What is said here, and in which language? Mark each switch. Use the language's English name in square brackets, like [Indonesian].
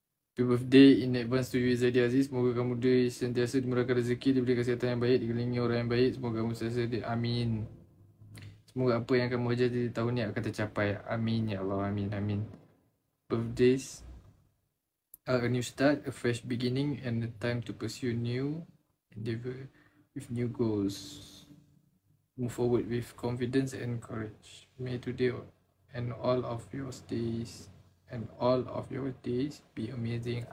[English] Happy birthday in advance to you Zahidi Aziz. [Malay] Semoga kamu dia sentiasa dimurahkan rezeki, diberi kesihatan yang baik, dikelilingi orang yang baik. Semoga kamu sentiasa di... Amin. Semoga apa yang kamu hajar di tahun ni akan tercapai. Amin ya Allah. Amin. Amin. [English] Birthdays are a new start, a fresh beginning, and a time to pursue new endeavor with new goals. Move forward with confidence and courage. May today and all of your days and all of your days be amazing.